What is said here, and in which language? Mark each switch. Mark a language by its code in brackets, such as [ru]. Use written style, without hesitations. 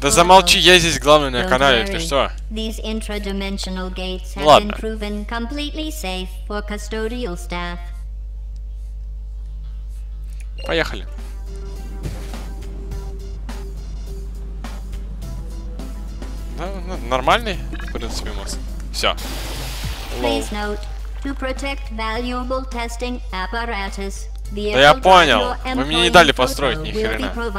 [ru] Да замолчи, я здесь главный на канале, ты что? [en] These intradimensional gates have been proven completely safe for custodial staff. [ru] Поехали. Да, ну, нормальный, в принципе, мост. Все. [en] Please note, to protect valuable testing apparatus. [ru] Да я понял, вы мне не дали построить ни хрена.